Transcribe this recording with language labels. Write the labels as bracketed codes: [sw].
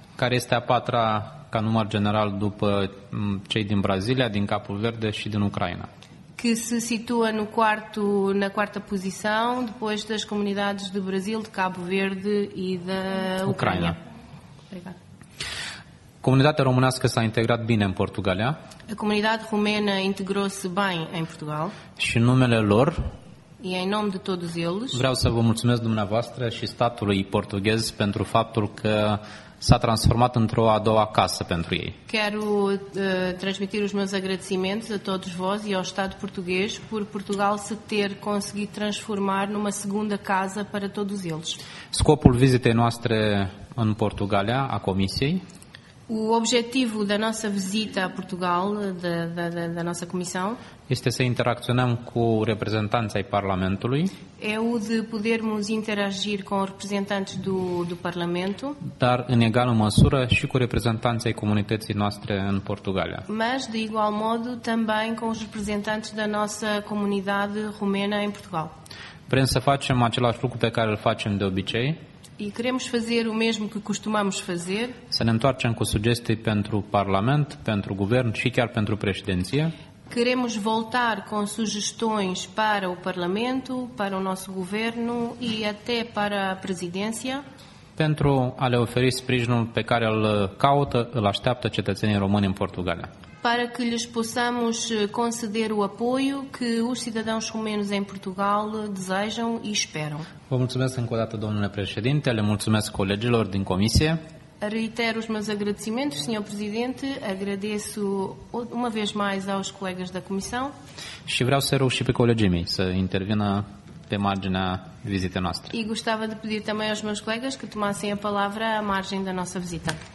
[ro] Care este a patra ca număr general după cei din Brasília, din Capo Verde și din Ucraina. [pt] Que se situa na quarta posição, depois das comunidades do Brasil, de Cabo Verde e da Ucraina. Obrigada. [ro] Comunitatea românească s-a integrat bine în Portugalia. [pt] A comunidade romena integrou-se bem em Portugal. [ro] Și numele lor. [pt] E em nome de todos eles. [ro] Vreau să vă mulțumesc dumneavoastră și statului portughez pentru faptul că s-a transformat într-o a doua casă pentru ei. [pt] Quero transmitir os meus agradecimentos a todos vós e ao Estado português por Portugal se ter conseguido transformar numa segunda casa para todos eles. [ro] Scopul vizitei noastre în Portugalia a Comisiei. [pt] O objetivo da nossa visita a Portugal, da nossa comissão, [ro] este să interacționăm cu reprezentanții Parlamentului. [pt] É o de podermos interagir com representantes do Parlamento. [ro] Dar în egală măsură și cu reprezentanții comunității noastre în Portugalia. [pt] Mas de igual modo também com os representantes da nossa comunidade romena em Portugal. [ro] Vrem să facem același lucru pe care îl facem de obicei. [pt] E queremos fazer o mesmo que costumamos fazer. [ro] Să ne întoarcem cu sugestii pentru Parlament, pentru Guvern și chiar pentru Președinție. [pt] Queremos voltar com sugestões para o Parlamento, para o nosso Governo e até para a Presidência. [ro] Pentru a le oferi sprijinul pe care îl caută, îl așteaptă cetățenii români în Portugalia. [pt] Para que lhes possamos conceder o apoio que os cidadãos romenos em Portugal desejam e esperam. [ro] Vă mulțumesc încă o dată, domnule președinte, le mulțumesc colegilor din comisie. [pt] Reitero os meus agradecimentos, senhor presidente, agradeço uma vez mais aos colegas da comissão. [ro] Și vreau să rog și pe colegii mei să intervină pe marginea vizitei noastre. [pt] E gostava de pedir também aos meus colegas que tomassem a palavra à margem da nossa visita.